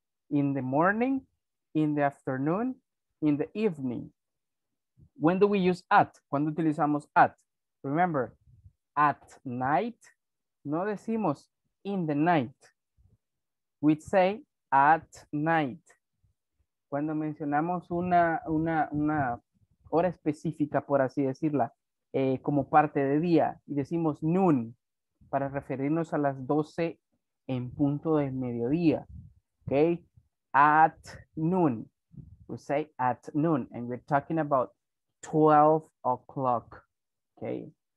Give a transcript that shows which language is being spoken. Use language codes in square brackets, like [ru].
[en] In the morning, in the afternoon, in the evening. When do we use at? [es] ¿Cuándo utilizamos at? [en] Remember, [es] at night, no decimos in the night. [en] We say at night. [es] Cuando mencionamos una hora específica, por así decirla, como parte de día, y decimos noon, para referirnos a las 12 en punto del mediodía, ¿ok? [en] At noon, we say at noon, and we're talking about 12 o'clock, okay?